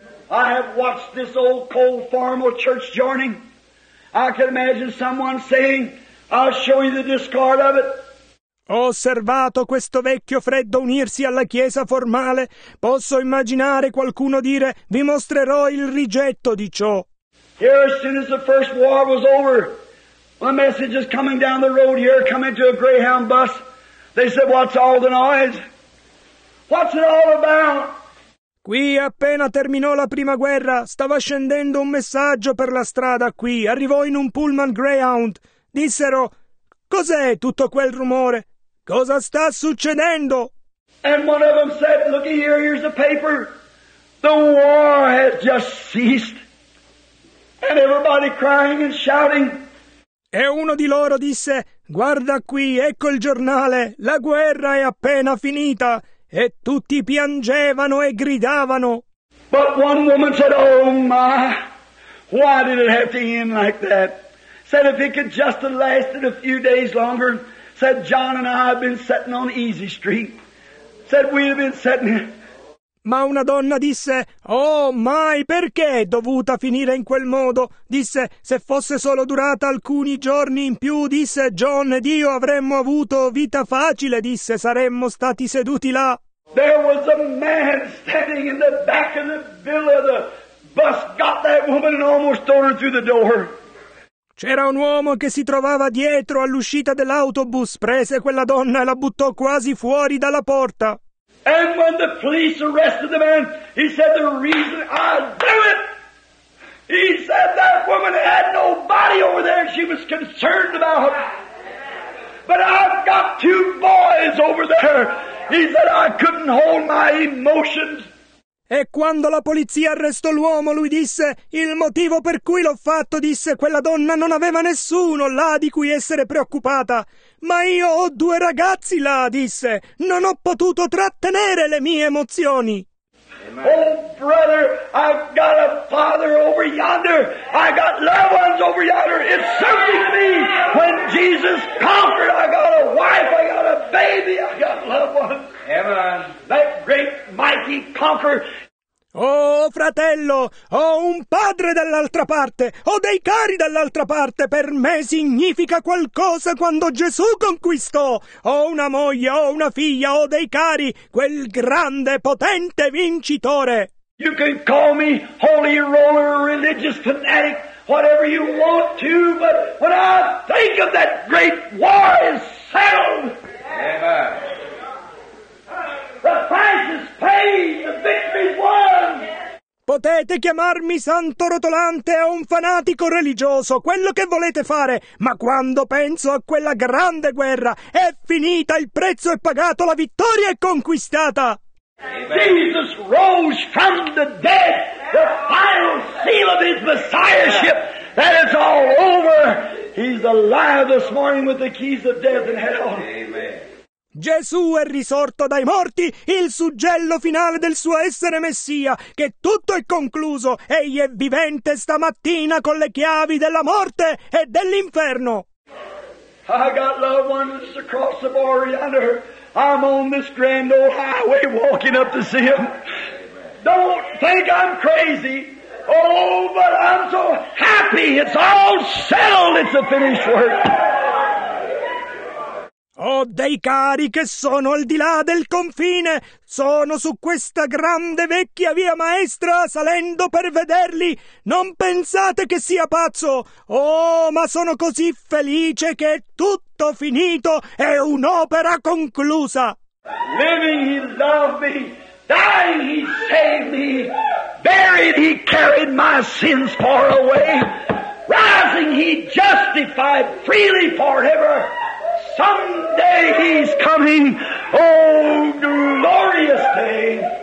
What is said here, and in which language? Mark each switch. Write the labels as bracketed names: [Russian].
[English] I have watched this old cold formal church joining. I can imagine someone saying, I'll show you the discard of it. [Italian] Ho osservato questo vecchio freddo unirsi alla chiesa formale. Posso immaginare qualcuno dire, vi mostrerò il rigetto di ciò. [English] Here, as soon as the first war was over, a message is coming down the road here, coming to a Greyhound bus. They said, what's all the noise? What's it all about? [Italian] Qui, appena terminò la prima guerra, stava scendendo un messaggio per la strada qui. Arrivò in un Pullman Greyhound. Dissero, cos'è tutto quel rumore? Cosa sta succedendo? [English] And one of them said, look here, here's the paper. The war has just ceased. And everybody crying and shouting. [Italian] E uno di loro disse, guarda qui, ecco il giornale, la guerra è appena finita. E tutti piangevano e gridavano. [English] But one woman said, oh my, why did it have to end like that? Said if it could just have lasted a few days longer, said John and I have been sitting on Easy Street. Said we have been sitting... [Italian] Ma una donna disse, oh, mai, perché è dovuta finire in quel modo? Disse, se fosse solo durata alcuni giorni in più, disse John ed io, avremmo avuto vita facile, disse, saremmo stati seduti là. [English] There was a man standing in the back of the villa. The bus got that woman and almost threw her through the door. [Italian] C'era un uomo che si trovava dietro all'uscita dell'autobus, prese quella donna e la buttò quasi fuori dalla porta. [English] And when the police arrested the man, he said, the reason I do it, he said, that woman had nobody over there she was concerned about. But I've got two boys over there. He said, I couldn't hold my emotions. [Italian] E quando la polizia arrestò l'uomo, lui disse, il motivo per cui l'ho fatto, disse, quella donna non aveva nessuno là di cui essere preoccupata. Ma io ho due ragazzi là, disse, non ho potuto trattenere le mie emozioni. [English] Oh, brother, I've got a father over yonder. I got loved ones over yonder. It's something to me. When Jesus conquered, I got a wife, I got a baby, I got loved ones. Amen. That great, mighty conqueror. [Italian] Oh, fratello, ho un padre dall'altra parte, ho dei cari dall'altra parte, per me significa qualcosa quando Gesù conquistò. Ho una moglie, ho una figlia, ho dei cari, quel grande, potente vincitore. [English] You can call me holy roller, religious fanatic, whatever you want to, but when I think of that great war is settled. Amen. The price is paid, the victory's won. [Italian] Potete chiamarmi santo rotolante o un fanatico religioso, quello che volete fare, ma quando penso a quella grande guerra, è finita, il prezzo è pagato, la vittoria è conquistata. [English] Jesus rose from the dead, the final seal of his messiahship, that is all over. He's alive this morning with the keys of death and hell. Amen. [Italian] Gesù è risorto dai morti, il suggello finale del suo essere Messia, che tutto è concluso. Egli è vivente stamattina con le chiavi della morte e dell'inferno. [English] I got loved ones across the border yonder. I'm on this grand old highway walking up to see him. Don't think I'm crazy. Oh, but I'm so happy. It's all settled. It's a finished work. [Italian] Ho dei cari che sono al di là del confine, sono su questa grande vecchia via maestra salendo per vederli. Non pensate che sia pazzo, oh, ma sono così felice che è tutto finito, è un'opera conclusa. [English] Living he loved me, dying he saved me, buried he carried my sins far away, rising he justified freely forever. Someday he's coming, oh glorious day.